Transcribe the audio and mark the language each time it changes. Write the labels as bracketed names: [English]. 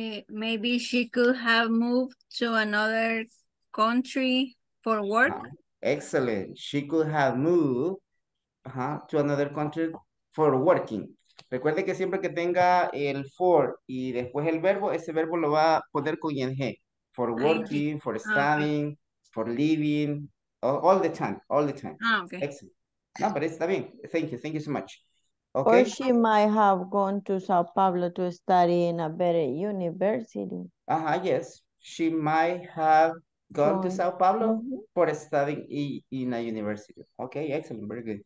[English] Maybe she could have moved to another country for work. Excellent. She could have moved to another country for working. [Spanish] Recuerde que siempre que tenga el for y después el verbo, ese verbo lo va a poner con ing. [English] For working, for studying, for living, all the time. Okay. Excellent. No, but it's bien. Thank you so much. Okay. Or she might have gone to Sao Paulo to study in a better university. Yes. She might have gone to Sao Paulo for studying in a university. Okay, excellent. Very good.